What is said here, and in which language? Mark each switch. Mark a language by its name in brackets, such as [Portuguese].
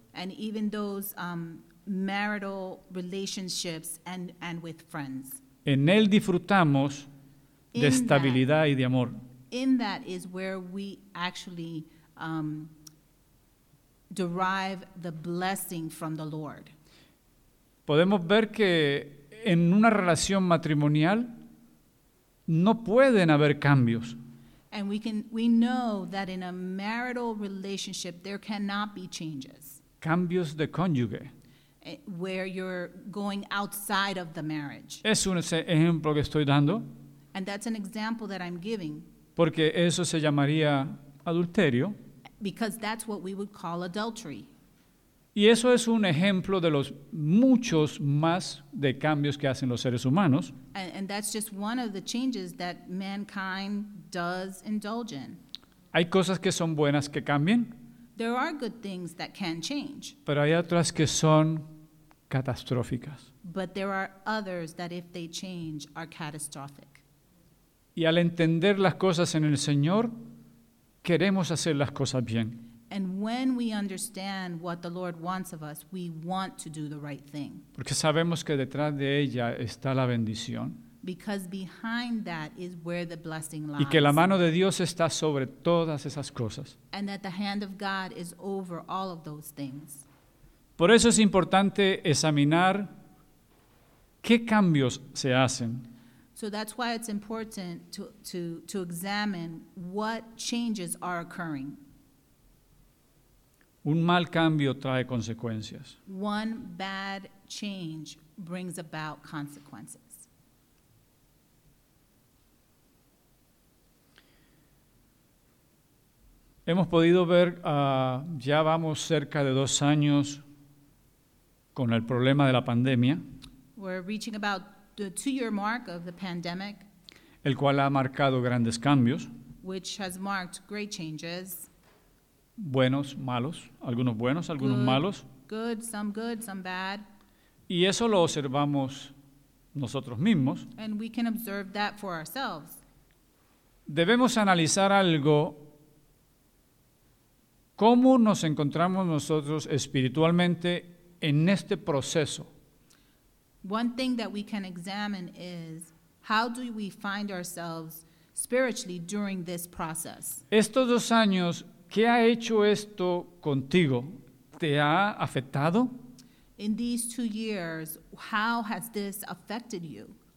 [English] And even those marital relationships and with friends. [Spanish] En él disfrutamos de estabilidad y de amor. [English] In that is where we actually derive the blessing from the Lord. [Spanish] Podemos ver que en una relación matrimonial no pueden haber cambios. [English] And we know that in a marital relationship there cannot be changes. [Spanish] Cambios de cónyuge. [English] Where you're going outside of the marriage. [Spanish] Es un ejemplo que estoy dando. [English] And that's an example that I'm giving. [Spanish] Porque eso se llamaría adulterio. [English] because that's what we would call adultery. [Spanish] Y eso es un ejemplo de los muchos más de cambios que hacen los seres humanos. [English] And that's just one of the changes that mankind does indulge in. [Spanish] Hay cosas que son buenas que cambien. [English] There are good things that can change. [Spanish] Pero hay otras que son catastróficas. [English] But there are others that if they change are catastrophic. [Spanish] Y al entender las cosas en el Señor, queremos hacer las cosas bien. [English] And when we understand what the Lord wants of us, we want to do the right thing. [Spanish] Porque sabemos que detrás de ella está la bendición. [English] Because behind that is where the blessing lies. [Spanish] Y que la mano de Dios está sobre todas esas cosas. [English] And that the hand of God is over all of those things. [Spanish] Por eso es importante examinar qué cambios se hacen. [English] So that's why it's important to examine what changes are occurring. [Spanish] Un mal cambio trae consecuencias. [English] One bad change brings about consequences. [Spanish] Hemos podido ver, ya vamos cerca de 2 años con el problema de la pandemia. [English] We're reaching about the 2-year mark of the pandemic. [Spanish] El cual ha marcado grandes cambios. [English] Which has marked great changes. [Spanish] Buenos, malos, algunos buenos, algunos [English] good, [Spanish] malos. [English] Good, some good, some bad. [Spanish] Y eso lo observamos nosotros mismos. [English] And we can observe that for ourselves. [Spanish] Debemos analizar algo. ¿Cómo nos encontramos nosotros espiritualmente en este proceso? [English] One thing that we can examine is how do we find ourselves spiritually during this process? [Spanish] Estos 2 años, ¿qué ha hecho esto contigo? ¿Te ha afectado? [English] In these 2 years, how has this affected you?